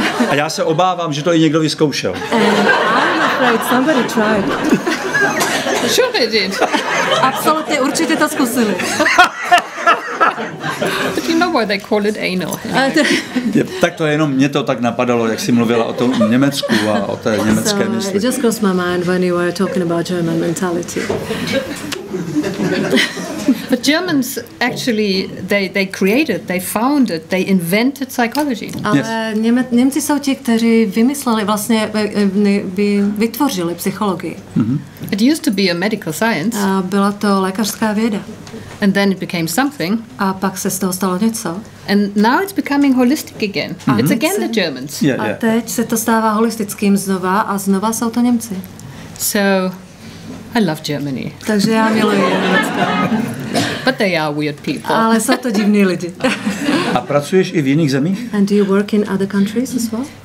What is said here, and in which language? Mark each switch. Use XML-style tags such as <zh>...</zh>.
<cs>A já se obávám, že to i někdo vyzkoušel.</cs> <en>And I'm afraid somebody tried. Sure they did.</en> <cs>Absolutně, určitě to zkusili.</cs> <en>But you know why they call it anal.</en> <cs>Tak to jenom mě to tak napadalo, jak jsi mluvila o tom Německu a o té německé mysli.</cs> <en>It just crossed my mind when you were talking about German mentality. But Germans actually they created, they founded, they invented psychology.</en> <cs>Ale Němci jsou ti, kteří vymysleli vlastně vytvořili psychologii.</cs> <en>It used to be a medical science.</en> <cs>A byla to lékařská věda.</cs> <en>And then it became something.</en> <cs>A pak se z toho stalo něco.</cs> <en>And now it's becoming holistic again. Mm-hmm. It's again the Germans. Yeah, yeah.</en> <cs>A teď se to stává holistickým znova a znova jsou to Němci.</cs> <en>So, I love Germany.</en> <cs>Takže já miluji Německo.</cs> <en>But they are weird people.</en> <cs>Ale jsou to divní lidi. A pracuješ i v jiných zemích?</cs> <en>And do you work in other countries as well?</en>